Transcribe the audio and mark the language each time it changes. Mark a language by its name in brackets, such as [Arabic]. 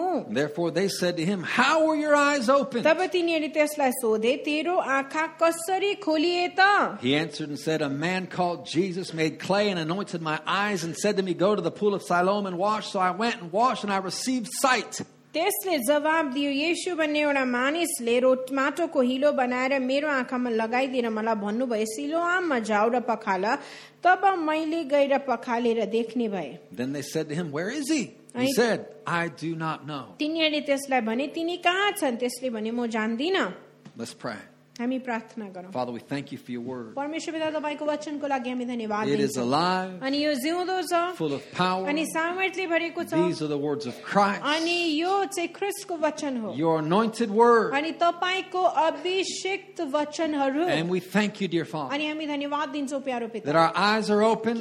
[English] Therefore they said to him, how were your eyes opened? He answered and said, a man called Jesus made clay and anointed my eyes and said to me, go to the pool of Siloam and wash. So I went and washed and I received sight. [Nepali] त्यसले जवाब दियो येशू भन्ने एउटा मानिसले माटोको हिलो बनाएर मेरो आँखामा लगाइदिएर मलाई भन्नुभयो सिलोआममा जाऊ र पखाल तब मैले गएर पखालेर देख्ने भए [English] Then they said to him, Where is he? He said, I do not know. [Nepali] तिनीहरूले त्यसलाई भने तिनी कहाँ छन् त्यसले भने म जान्दिन [English] Let's pray. [Nepali] हामी प्रार्थना गरौँ [English] Father, we thank you for your word. [Nepali] परमेश्वर पिता तपाईको वचनको लागि हामी धन्यवाद दिन्छौँ. [English] It is alive. [Nepali] अनि यो जिउँदो छ. [English] Full of power. [Nepali] अनि सामर्थ्यले भरिएको छ. [English] These are the words of Christ. [Nepali] अनि यो चाहिँ ख्रीष्टको वचन हो. [English] Your anointed word. [Nepali] अनि तपाईको अभिषेकत वचनहरु. [English] And we thank you, dear Father. [Nepali] अनि हामी धन्यवाद दिन्छौँ प्यारो पिता. [English] That our eyes are opened.